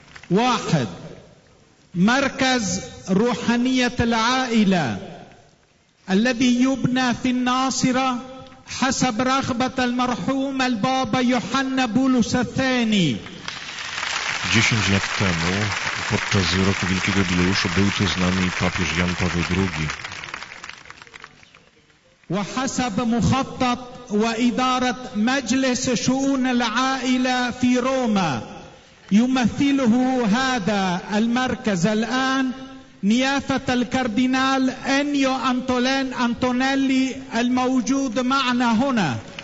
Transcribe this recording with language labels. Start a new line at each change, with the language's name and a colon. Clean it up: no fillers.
Arabic: واحد مركز روحانية العائلة الذي يبنى في الناصرة حسب رغبة المرحوم البابا يوحنا بولس الثاني.
Polish: 10 lat temu podczas roku wielkiego jubileuszu był tu z nami papież Jan Paweł II.
Arabic: وحسب مخطط وإدارة مجلس شؤون العائلة في روما يمثله هذا المركز الآن نيافة الكاردينال أنيو أنتولين أنتونيلي الموجود معنا هنا.